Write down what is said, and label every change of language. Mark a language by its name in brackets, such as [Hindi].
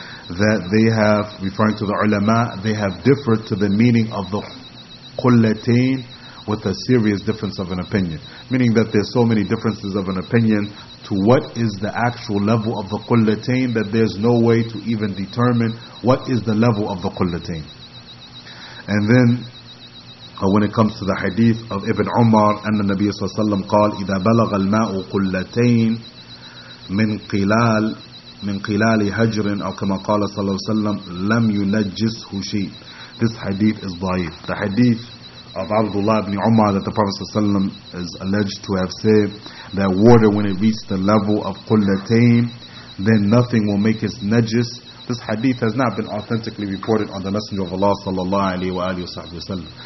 [English] that they have, referring to the ulama, they have differed to the meaning of the Qullatayn with a serious difference of an opinion. Meaning that there's so many differences of an opinion to what is the actual level of the Qullatayn that there's no way to even determine what is the level of the Qullatayn. And then, when it comes to the hadith of Ibn Umar, and the Nabi Sallallahu Alaihi Wasallam [Arabic] قال, إذا بلغ الماء قلتين من قلال من قلال هجر أو كما قال صلى الله عليه وسلم لم ينجسه شيء. [English] This hadith is ضعيف. The hadith of Abdullah ibn Umar that the Prophet Sallallahu Alaihi Wasallam is alleged to have said that water, when it reaches the level of قلتين, then nothing will make it najis. This hadith has not been authentically reported on the Messenger of Allah sallallahu alayhi wa alihi wa sallam.